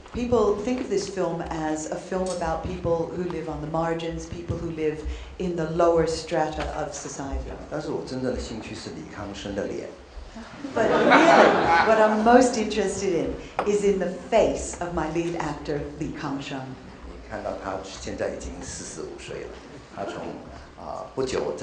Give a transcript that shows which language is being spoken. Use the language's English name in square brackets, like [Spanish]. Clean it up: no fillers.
[English] People think of this film as a film about people who live on the margins, people who live in the lower strata of society. [Chinese] 但是我真正的兴趣是李康生的脸。 [English] But really, what I'm most interested in is in the face of my lead actor, Li Kangsheng. You can see that he is now 45 years old.